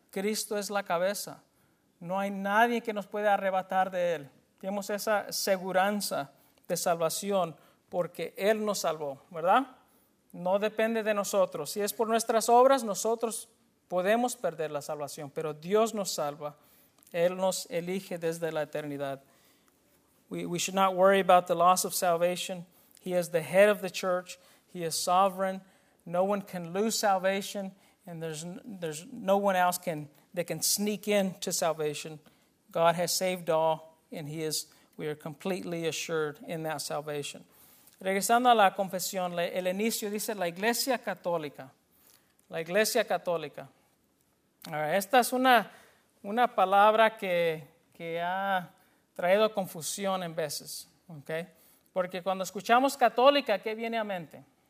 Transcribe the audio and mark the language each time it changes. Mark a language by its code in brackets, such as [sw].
[es] Cristo es la cabeza. No hay nadie que nos pueda arrebatar de Él. Tenemos esa seguridad de salvación porque Él nos salvó, ¿verdad? No depende de nosotros. Si es por nuestras obras, nosotros podemos perder la salvación, pero Dios nos salva. Él nos elige desde la eternidad. [en] We should not worry about the loss of salvation. He is the head of the church. He is sovereign. No one can lose salvation, and there's no one else can that can sneak in to salvation. God has saved all, and we are completely assured in that salvation. [es] Regresando a la confesión, el inicio dice la Iglesia Católica. La Iglesia Católica. [en] All right, [es] esta es una palabra que ha traído confusión en veces, ¿okay? Porque cuando escuchamos católica, ¿qué viene a mente?